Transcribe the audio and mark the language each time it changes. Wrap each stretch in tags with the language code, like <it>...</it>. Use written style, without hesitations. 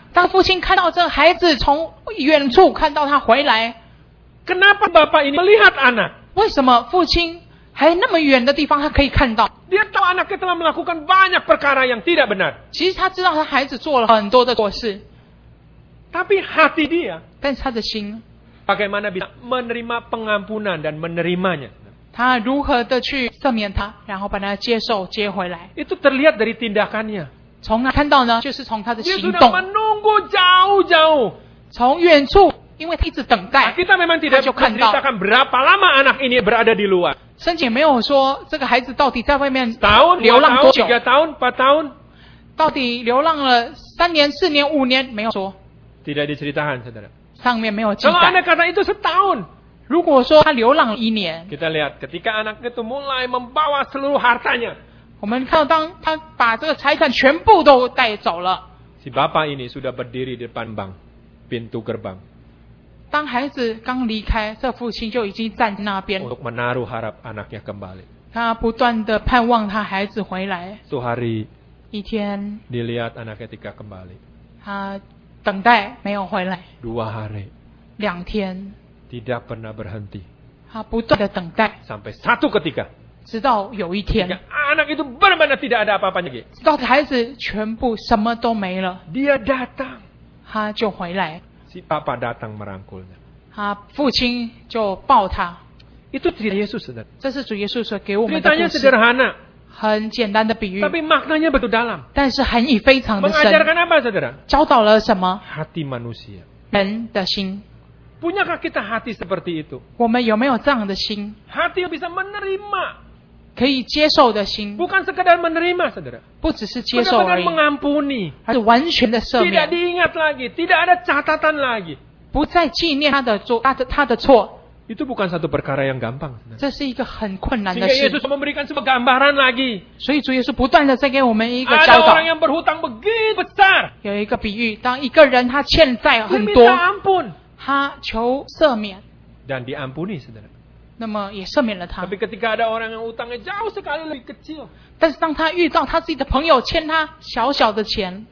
<zh>当父亲看到这孩子从远处看到他回来，</zh> <id>kenapa bapak ini melihat anak?</id> <zh>为什么父亲还那么远的地方他可以看到？</zh> <id>Dia tahu anaknya telah melakukan banyak perkara yang tidak benar.</id> <zh>其实他知道他孩子做了很多的错事。</zh> <id>Tapi hati dia.</id> <zh>但是他的心。</zh> <id>Bagaimana bisa menerima pengampunan dan menerimanya?</id> <zh>他如何的去赦免他，然后把他接受接回来？</zh> <id>Itu terlihat dari tindakannya.</id> <zh>从哪看到呢？就是从他的行动。</zh> <id>Dia sudah menunggu jauh-jauh.</id> <zh>从远处，因为他一直等待。</zh> <id>Nah, kita memang tidak menceritakan berapa lama anak ini berada di luar.</id> <zh>圣经没有说这个孩子到底在外面流浪多久，</zh> <id>3 tahun, 4 tahun,</id> <zh>到底流浪了3年、4年、5年没有说。</zh> <id>Tidak diceritakan, saudara.</id> <zh>上面没有记载。</zh> <id>Kalau anak kata itu setahun,</id> <zh>如果说他流浪了一年，</zh> <id>kita lihat ketika anak itu mulai membawa seluruh hartanya,</id> <zh>我们看到当他把这个财产全部都带走了。</zh> <id>Si bapak ini sudah berdiri di depan bank, pintu gerbang.</id> <zh>当孩子刚离开，这父亲就已经站在那边。</zh> <id>Untuk menaruh harap anaknya kembali.</id> <zh>他不断的盼望他孩子回来。</zh> <id>Satu hari.</id> <zh>一天。</zh> <id>Dilihat anaknya tidak kembali.</id> <zh>他等待没有回来。</zh> <id>Dua hari.</id> <zh>两天。</zh> <id>Tidak pernah berhenti.</id> <zh>他不断的等待。</zh> <id>Sampai satu ketika.</id> <zh>直到有一天。</zh> <id>Anak itu benar-benar tidak ada apa-apa lagi.</id> <zh>直到孩子全部什么都没了。</zh> <id>Dia datang.</id> <zh>他就回来。</zh> <id>Si papa datang merangkulnya.</id> <zh>他父亲就抱他。</zh> <id>Itu cerita Yesus, saudara.</id> <zh>这是主耶稣所给我们的故</zh> <id>事。Ceritanya sederhana.</id> <zh>很简单的比喻。</zh> <id>Tapi maknanya betul dalam.</id> <zh>但是含义非常的深。</zh> <id>Mengajarkan apa, saudara?</id> <zh>教导了什么？</zh> <id>Hati manusia.</id> <zh>人的心。</zh> <id>Punyakah kita hati seperti itu?</id> <zh>我们有没有这样的心？</zh> <id>Hati yang bisa menerima.</id> <zh>可以接受的心。</zh> <id>Bukan sekadar menerima, saudara.</id> <zh>不只是接受而已。</zh> <id>Benar-benar mengampuni.</id> <zh>而是完全的赦免。</zh> <id>Tidak diingat lagi, tidak ada catatan lagi.</id> <zh>不再纪念他的错。</zh> <id>Itu bukan satu perkara yang gampang. Sehingga Yesus memberikan sebuah gambaran lagi. Ada orang yang berhutang begitu besar. Dan diampuni, saudara. Tapi ketika ada orang yang utangnya jauh sekali lebih kecil.</id> <zh>但是当他遇到他自己的朋友欠他小小的钱,</zh>